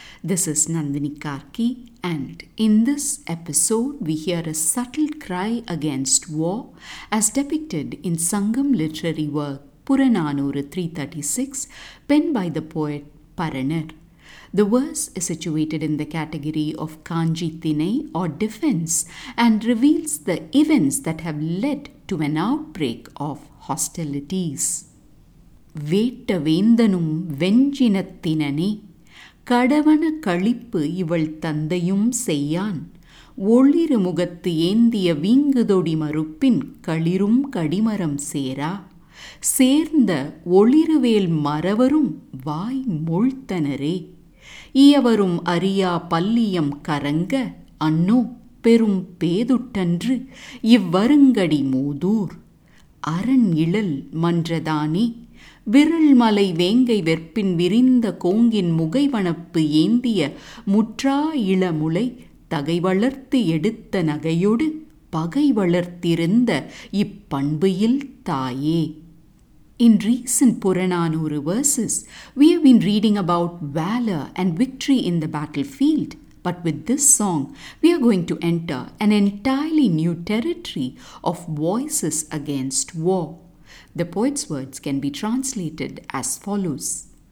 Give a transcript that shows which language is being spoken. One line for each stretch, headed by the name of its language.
English: This is Nandini Karki, and in this episode we hear a subtle cry against war as depicted in Sangam literary work Puranaanooru 336, penned by the poet Paranar. The verse is situated in the category of Kanchi Thinai or defense and reveals the events that have led to an outbreak of hostilities.
Tamil: வேட்டவேந்தனும் வெஞ்சினத்தினே கடவன கழிப்பு இவள் தந்தையும் செய்யான் ஒளிரு முகத்து ஏந்திய வீங்குதொடி மறுப்பின் களிரும் கடிமரம் சேரா சேர்ந்த ஒளிருவேல் மறவரும் வாய் மொழ்த்தனரே இயவரும் அரியா பல்லியம் கரங்க அன்னோ பெரும் பேதுட்டன்று இவ்வருங்கடி மூதூர் அரண் இழல் மன்றதானே விரல் மலை வேங்கை வெற்பின் விரிந்த கோங்கின் முகைவனப்பு ஏந்திய முற்றா இளமுலை தகை வளர்த்து எடுத்த நகையோடு பகை வளர்த்திருந்த இப்பண்புயில் தாயே.
English: In recent Puranaanooru verses, we have been reading about valor and victory in the battlefield. But with this song, we are going to enter an entirely new territory of voices against war. The poet's words can be translated as follows.